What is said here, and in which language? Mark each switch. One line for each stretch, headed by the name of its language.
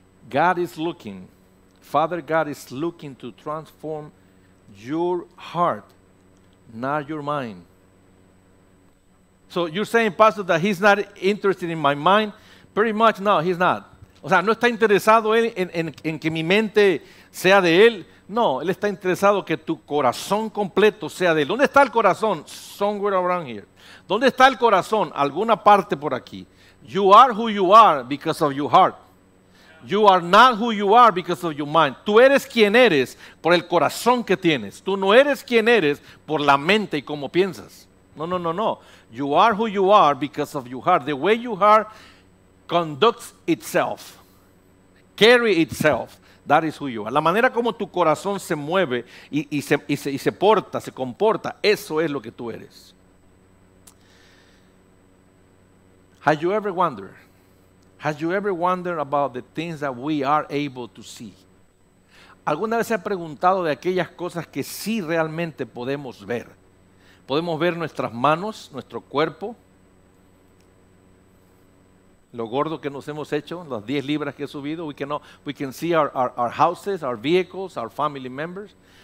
English: God is looking, Father God is looking to transform your heart, not your mind. So you're saying, Pastor, that he's not interested in my mind. Pretty much, no, he's not.
Spanish: O sea, no está interesado él en que mi mente sea de él. No, él está interesado que tu corazón completo sea de él. ¿Dónde está el corazón?
English: Somewhere around here.
Spanish: ¿Dónde está el corazón? Alguna parte por aquí.
English: You are who you are because of your heart. You are not who you are because of your mind.
Spanish: Tú eres quien eres por el corazón que tienes. Tú no eres quien eres por la mente y cómo piensas.
English: No. You are who you are because of your heart. The way your heart conducts itself, carry itself, that is who you are.
Spanish: La manera como tu corazón se mueve y se porta, se comporta, eso es lo que tú eres.
English: Has you ever wondered about the things that we are able to see?
Spanish: ¿Alguna vez se ha preguntado de aquellas cosas que sí realmente podemos ver? Podemos ver nuestras manos, nuestro cuerpo, lo gordo que nos hemos hecho, las 10 libras que he subido.
English: We can see our houses, our vehicles, our family members.